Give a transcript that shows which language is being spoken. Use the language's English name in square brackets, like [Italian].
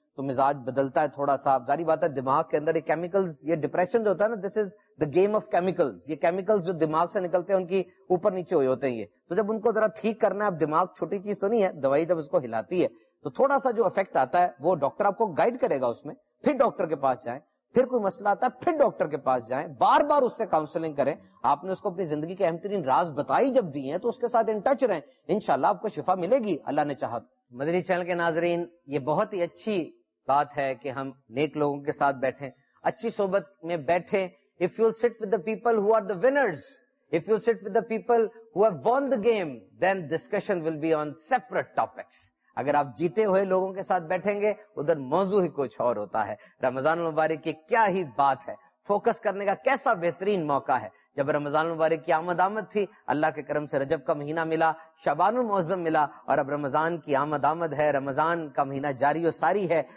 [Urdu] تو مزاج بدلتا ہے تھوڑا سا, ظاہری بات ہے دماغ کے اندر یہ کیمیکلز, یہ ڈپریشن جو ہوتا ہے نا, [English] this is the game of chemicals, [Urdu] یہ کیمیکلز جو دماغ سے نکلتے ہیں ان کی اوپر نیچے ہوئے ہوتے ہیں یہ, تو جب ان کو ذرا ٹھیک کرنا ہے, اب دماغ چھوٹی چیز تو نہیں ہے, دوائی جب اس کو ہلاتی ہے تو تھوڑا سا جو افیکٹ آتا ہے وہ ڈاکٹر آپ کو گائیڈ کرے گا اس میں, پھر ڈاکٹر کے پاس جائیں, پھر کوئی مسئلہ آتا ہے پھر ڈاکٹر کے پاس جائیں, بار بار اس سے کاؤنسلنگ کریں. آپ نے اس کو اپنی زندگی کے اہم ترین راز بتائی جب دی ہیں, تو اس کے ساتھ ان ٹچ رہیں, انشاءاللہ آپ کو شفا ملے گی اللہ نے چاہا. مدنی چینل کے ناظرین, یہ بہت ہی اچھی بات ہے کہ ہم نیک لوگوں کے ساتھ بیٹھیں, اچھی صحبت میں بیٹھیں. [English] If you'll sit with the people who are the winners, if you'll sit with the people who have won the game, then discussion will be on separate topics. [Urdu] اگر آپ جیتے ہوئے لوگوں کے ساتھ بیٹھیں گے, ادھر موضوع ہی کچھ اور ہوتا ہے. رمضان المبارک کی کیا ہی بات ہے, فوکس کرنے کا کیسا بہترین موقع ہے. جب رمضان المبارک کی آمد آمد تھی, اللہ کے کرم سے رجب کا مہینہ ملا, شعبان المعظم ملا, اور اب رمضان کی آمد آمد ہے, رمضان کا مہینہ جاری و ساری ہے.